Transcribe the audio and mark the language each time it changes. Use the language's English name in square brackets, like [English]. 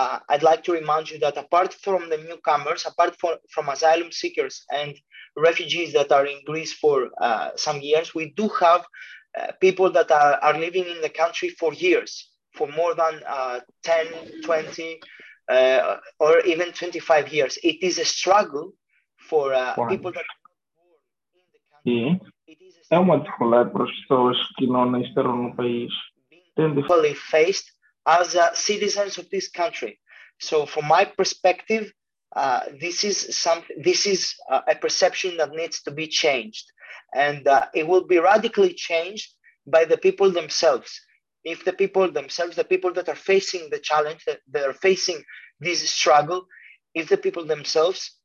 [English] I'd like to remind you that apart from the newcomers, apart from asylum seekers and refugees that are in Greece for some years, we do have people that are living in the country for years, for more than 10, 20, or even 25 years. It is a struggle for people that are in the country. [Portuguese] Sim. É uma dificuldade para as pessoas que não nasceram no país. [English] Being fully faced as citizens of this country. So from my perspective, this is a perception that needs to be changed. And it will be radically changed by the people themselves. If the people themselves, the people that are facing the challenge, that are facing this struggle, if the people themselves